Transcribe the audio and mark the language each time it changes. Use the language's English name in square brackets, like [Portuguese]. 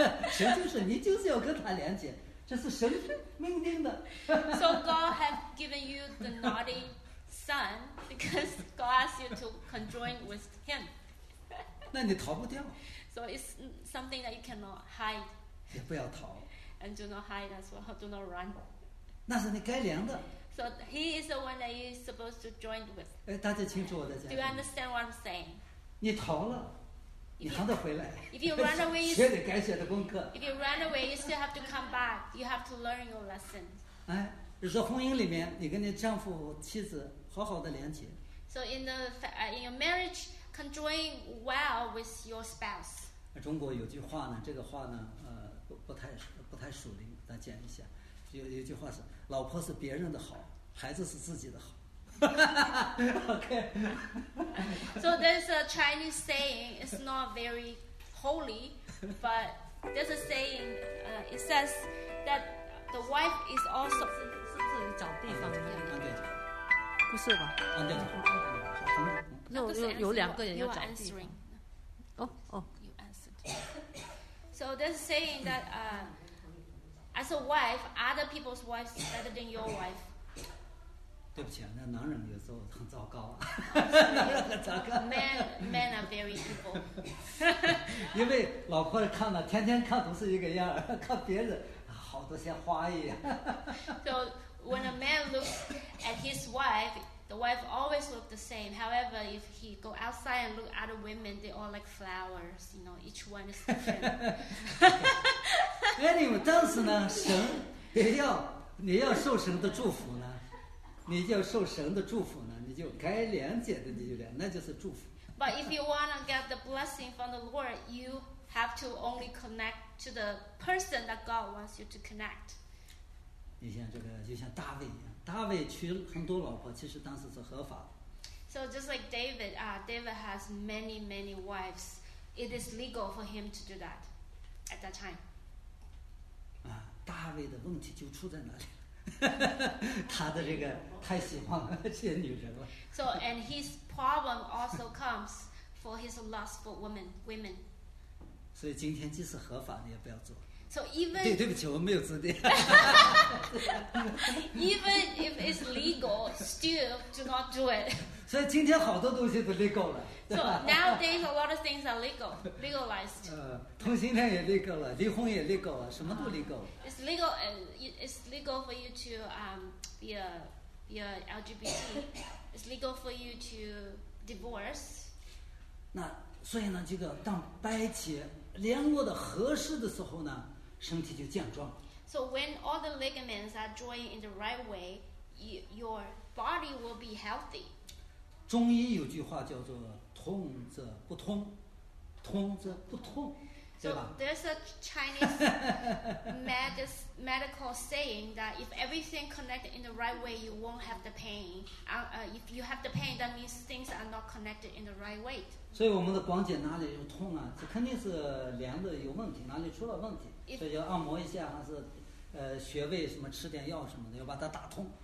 [Chinese] 神就是你，就是要跟他连接，这是神命令的。 [English] So God have given you the naughty son because God asked you to conjoin with him. [Chinese] 那你逃不掉。 [English] So it's something that you cannot hide. [Chinese] 也不要逃。 [English] And do not hide as well. Do not run. [Chinese] 那是你该量的。 [English] So he is the one that you are supposed to join with. [Chinese] 大家清楚我在讲。 [English] Do you understand what I'm saying? [Chinese] 你逃了。你还得回来。 [English] If you run away, you [Chinese] 学得该学的功课。 [English] If you run away, you still have to come back. You have to learn your lesson. [Chinese] 哎，比如说婚姻里面，你跟你丈夫、妻子好好的连接。 [English] So in your marriage, conjoin well with your spouse. [Chinese] 中国有句话呢，这个话呢，不太属灵，再讲一下。有句话是：老婆是别人的好，孩子是自己的好。 [English] Okay. So there's a Chinese saying. It's not very holy, but there's a saying. It says that the wife is also. [Chinese] 是不是找地方的？安队长，不是吧？安队长，什么？有两个人要找地方。 [English] You are answering. You answered. So there's a saying that as a wife, other people's wives are better than your wife. [Chinese] 对不起，那男人有时候很糟糕啊，糟糕。 [English] Men are very evil. [Chinese] 因为老婆看了，天天看都是一个样，看别人好多像花一样。 [English] So when a man looks at his wife, the wife always looks the same. However, if he go outside and look at other women, they all like flowers. You know, each one is different. Anyway, [Chinese] 但是呢，神，你要受神的祝福呢。你就受神的祝福呢，你就该连接的你就连，那就是祝福。 [English] But if you want to get the blessing from the Lord, you have to only connect to the person that God wants you to connect. [Chinese] 你像这个，就像大卫一样，大卫娶很多老婆，其实当时是合法的。 [English] So just like David, David has many, many wives. It is legal for him to do that at that time. [Chinese] 啊，大卫的问题就出在哪里？他的这个太喜欢这些女人了。 [English] So and his problem also comes for his lust for women. [Chinese] 所以今天即使合法，你也不要做。 [English] So even [Chinese] 对不起，我没有资历。 [English] Even if it's legal, still do not do it. [Chinese] 所以今天好多东西都 legal 了。 [English] So nowadays a lot of things are legalized. [Chinese] 同性恋也 legal 了，离婚也 legal 了，什么都 legal 了。 [English] It's legal for you to be a LGBT. It's legal for you to divorce. [Chinese] 那所以呢，这个当掰起联络的合适的时候呢，身体就健壮。 [English] So when all the ligaments are joined in the right way, your body will be healthy. [Chinese] 中医有句话叫做痛则不通，通则不痛。 [English] So there's a Chinese medical saying that if everything connected in the right way, you won't have the pain. If you have the pain, that means things are not connected in the right way. [Chinese] 所以我们的关节哪里有痛啊？这肯定是连的有问题，哪里出了问题？所以要按摩一下，还是穴位什么，吃点药什么的，要把它打通。